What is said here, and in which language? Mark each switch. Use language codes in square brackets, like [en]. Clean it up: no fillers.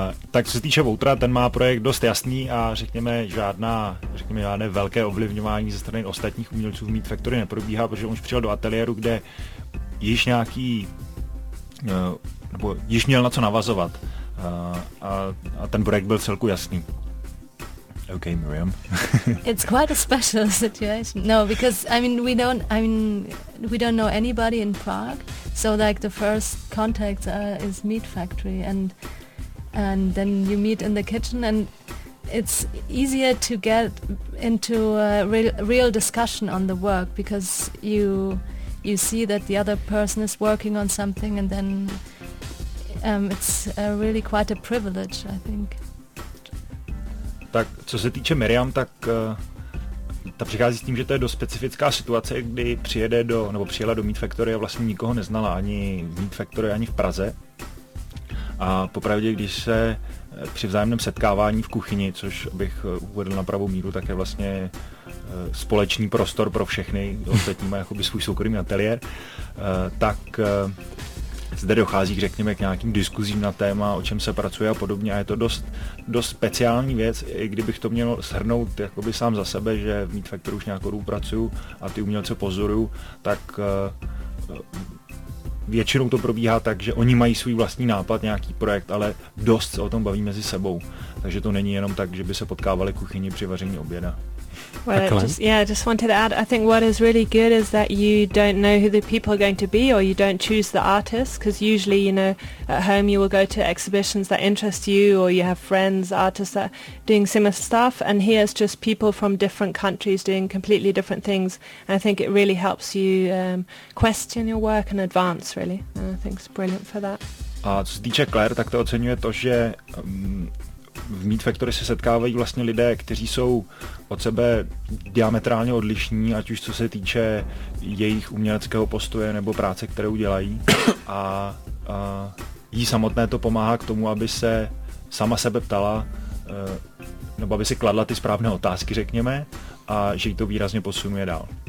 [cs] Tak co se týče Woutera, ten má projekt dost jasný a řekněme žádné velké ovlivňování ze strany ostatních umělců v Meet Factory neprobíhá, protože on už přijel do ateliéru, kde již nějaký nebo již měl na co navazovat. A ten projekt byl celku jasný. [en] Okay, Miriam. It's quite a special situation. No, because we don't know anybody in Prague. So like the first contact is Meat Factory and then you meet in the kitchen and it's easier to get into a real discussion on the work because you see that the other person is working on something and then it's really quite a privilege, I think. [cs] Tak co se týče Miriam, tak ta přichází s tím, že to je dost specifická situace, kdy přijela do Meat Factory a vlastně nikoho neznala ani v Meat Factory, ani v Praze. A popravdě, když se při vzájemném setkávání v kuchyni, což bych uvedl na pravou míru, tak je vlastně společný prostor pro všechny, ostatní má jakoby svůj soukromý ateliér, tak zde dochází, řekněme, k nějakým diskuzím na téma, o čem se pracuje a podobně. A je to dost speciální věc, i kdybych to měl shrnout jakoby sám za sebe, že v Meat Factory už nějakou dobu pracuju a ty umělce pozoruju, tak většinou to probíhá tak, že oni mají svůj vlastní nápad, nějaký projekt, ale dost se o tom baví mezi sebou. Takže to není jenom tak, že by se potkávali v kuchyni při vaření oběda. [en] Well, I just wanted to add, I think what is really good is that you don't know who the people are going to be, or you don't choose the artists, because usually, you know, at home you will go to exhibitions that interest you, or you have friends, artists that are doing similar stuff, and here it's just people from different countries doing completely different things, and I think it really helps you question your work and advance, really, and I think it's brilliant for that. [cs] A co se týče Claire, tak to oceňuje to, že v Meat Factory se setkávají vlastně lidé, kteří jsou od sebe diametrálně odlišní, ať už co se týče jejich uměleckého postoje nebo práce, kterou dělají. A jí samotné to pomáhá k tomu, aby se sama sebe ptala, nebo aby si kladla ty správné otázky, řekněme, a že jí to výrazně posunuje dál.